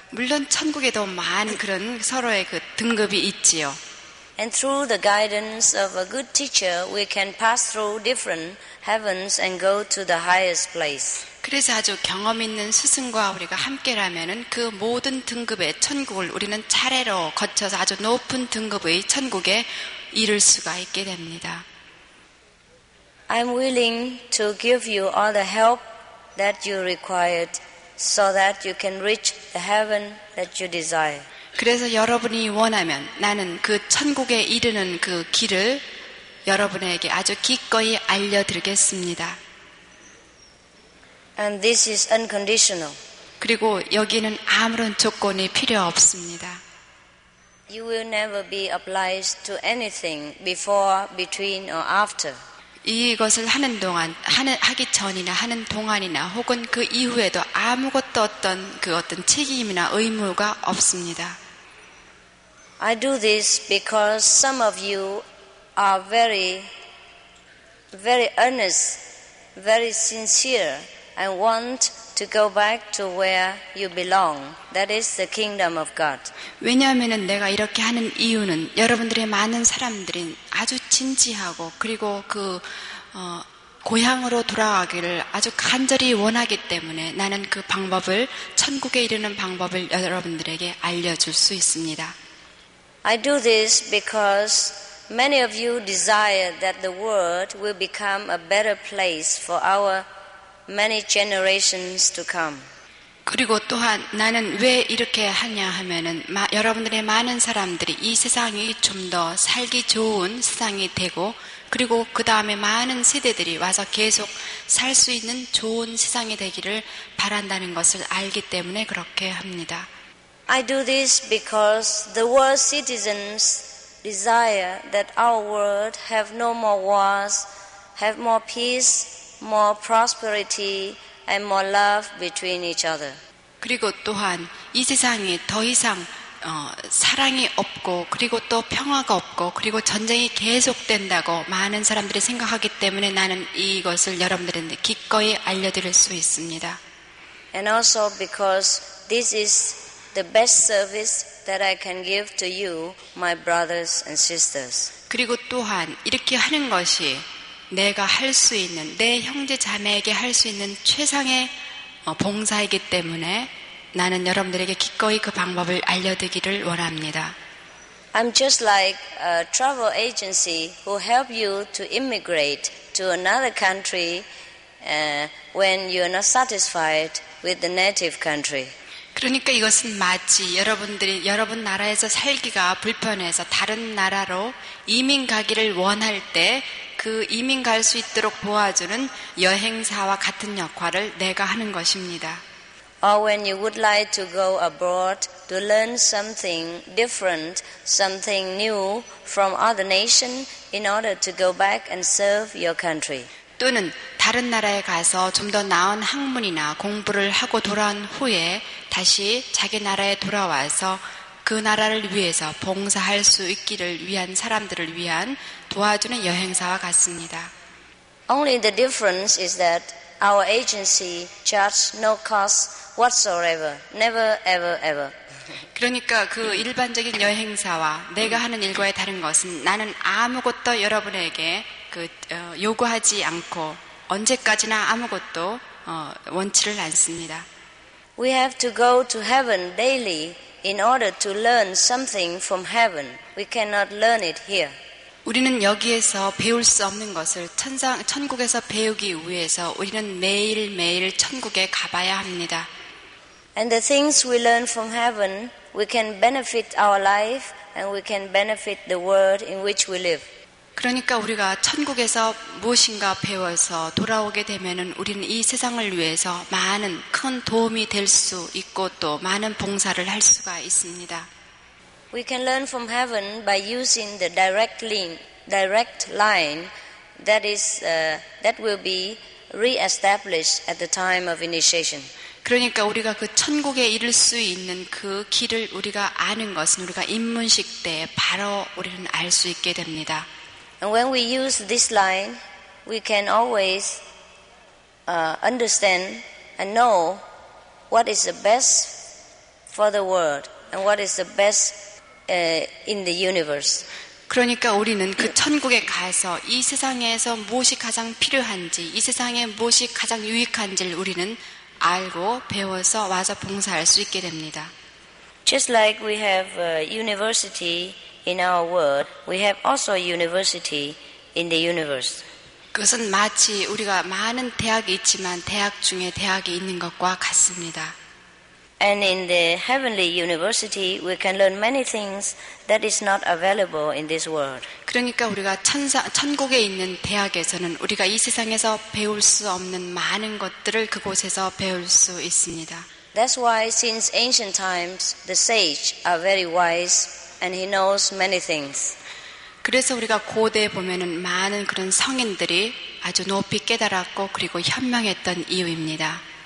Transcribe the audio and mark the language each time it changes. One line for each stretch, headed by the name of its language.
Korean: 물론 천국에도 많은 그런 서로의 그 등급이 있지요.
English: And through the guidance of a good teacher, we can pass through different heavens and go to the highest place.
Korean: 그래서 아주 경험 있는 스승과 우리가 함께라면은 그 모든 등급의 천국을 우리는 차례로 거쳐서 아주 높은 등급의 천국에 이를 수가 있게 됩니다.
English: I'm willing to give you all the help that you required so that you can reach the heaven that you desire.
Korean: 그래서 여러분이 원하면 나는 그 천국에 이르는 그 길을 여러분에게 아주 기꺼이 알려드리겠습니다.
English: And this is unconditional.
Korean: 그리고 여기는 아무런 조건이 필요 없습니다.
English: You will never be obliged to anything before, between, or after.
Korean: 이것을 하는 동안, 하기 전이나 하는 동안이나 혹은 그 이후에도 아무것도 어떤 그 어떤 책임이나 의무가 없습니다.
English: I do this because some of you are very, very earnest, very sincere. I want to go back to where you belong. That is the kingdom of God.
Korean: 왜냐하면 내가 이렇게 하는 이유는 여러분들의 많은 사람들이 아주 진지하고 그리고 그 고향으로 돌아가기를 아주 간절히 원하기 때문에 나는 그 방법을 천국에 이르는 방법을 여러분들에게 알려줄 수 있습니다.
English: I do this because many of you desire that the world will become a better place for our many generations to come.
Korean: 그리고 또한 나는 왜 이렇게 하냐 하면은 여러분들의 많은 사람들이 이 세상이 좀 더 살기 좋은 세상이 되고 그리고 그 다음에 많은 세대들이 와서 계속 살 수 있는 좋은 세상이 되기를 바란다는 것을 알기 때문에 그렇게 합니다.
English: I do this because the world citizens desire that our world have no more wars, have more peace, more prosperity and more love between each other.
Korean: 그리고 또한 이 세상이 더 이상 사랑이 없고 그리고 또 평화가 없고 그리고 전쟁이 계속된다고 많은 사람들이 생각하기 때문에 나는 이것을 여러분들에게 기꺼이 알려드릴 수 있습니다.
English: And also because this is the best service that I can give to you, my brothers and sisters.
Korean: 그리고 또한 이렇게 하는 것이 내가 할 수 있는 내 형제 자매에게 할 수 있는 최상의 봉사이기 때문에 나는 여러분들에게 기꺼이 그 방법을 알려드리기를 원합니다.
English: I'm just like a travel agency who help you to immigrate to another country when you're not satisfied with the native country.
Korean: 그러니까 이것은 마치 여러분들이 여러분 나라에서 살기가 불편해서 다른 나라로 이민 가기를 원할 때 그 이민 갈 수 있도록 도와주는 여행사와 같은 역할을 내가 하는 것입니다.
English: Or when you would like to go abroad to learn something different, something new from other nation in order to go back and serve your country.
Korean: 또는 다른 나라에 가서 좀 더 나은 학문이나 공부를 하고 돌아온 후에 다시 자기 나라에 돌아와서 그 나라를 위해서 봉사할 수 있기를 위한 사람들을 위한 도와주는 여행사와 같습니다.
English: Only the difference is that our agency charges no cost whatsoever. Never, ever, ever.
Korean: 그러니까 그 일반적인 여행사와 내가 하는 일과의 다른 것은 나는 아무것도 여러분에게 요구하지 않고 언제까지나 아무것도 원치를 않습니다.
English: We have to go to heaven daily in order to learn something from heaven. We cannot learn it here.
Korean: 우리는 여기에서 배울 수 없는 것을 천국에서 배우기 위해서 우리는 매일매일 천국에 가봐야 합니다.
English: And the things we learn from heaven, we can benefit our life and we can benefit the world in which we live.
Korean: 그러니까 우리가 천국에서 무엇인가 배워서 돌아오게 되면은 우리는 이 세상을 위해서 많은 큰 도움이 될 수 있고 또 많은 봉사를 할 수가 있습니다.
English: We can learn from heaven by using the direct line that will be re-established at the time of initiation.
Korean: 그러니까 우리가 그 천국에 이를 수 있는 그 길을 우리가 아는 것은 우리가 입문식 때 바로 우리는 알 수 있게 됩니다.
English: And when we use this line, we can always understand and know what is the best for the world and what is the best in the universe.
Korean: 그러니까 우리는 그 천국에 가서 이 세상에서 무엇이 가장 필요한지, 이 세상에 무엇이 가장 유익한지를 우리는 알고 배워서 와서 봉사할 수 있게 됩니다.
English: Just like we have a university in our world, we have also a university in the universe.
Korean: 그것은 마치 우리가 많은 대학이 있지만 대학 중에 대학이 있는 것과 같습니다.
English: And in the heavenly university, we can learn many things that is not available in this world.
Korean: 그러니까 우리가 천국에 있는 대학에서는 우리가 이 세상에서 배울 수 없는 많은 것들을 그곳에서 배울 수 있습니다.
English: That's why since ancient times, the sage are very wise and he knows many things.
Korean: 그래서 우리가 고대에 보면은 많은 그런 성인들이 아주 높이 깨달았고 그리고 현명했던 이유입니다.